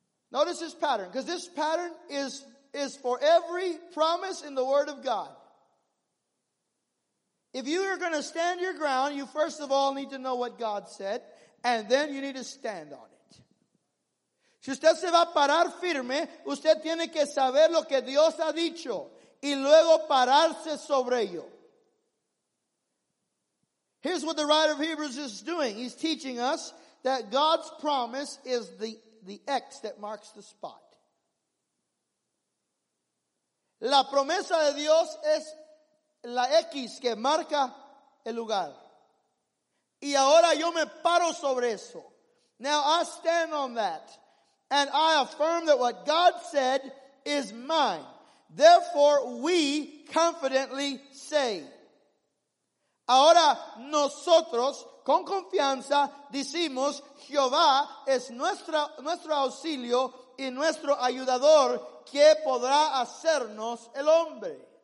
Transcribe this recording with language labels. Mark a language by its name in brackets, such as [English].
[English] Notice this pattern, because this pattern is for every promise in the Word of God. If you are going to stand your ground, you first of all need to know what God said, and then you need to stand on it. [Spanish] Si usted se va a parar firme, usted tiene que saber lo que Dios ha dicho, y luego pararse sobre ello. [English] Here's what the writer of Hebrews is doing. He's teaching us that God's promise is the X that marks the spot. [Spanish] La promesa de Dios es la X que marca el lugar. Y ahora yo me paro sobre eso. [English] Now I stand on that. And I affirm that what God said is mine. Therefore, we confidently say. [Spanish] Ahora, nosotros, con confianza, decimos, Jehová es nuestro auxilio y nuestro ayudador, que podrá hacernos el hombre.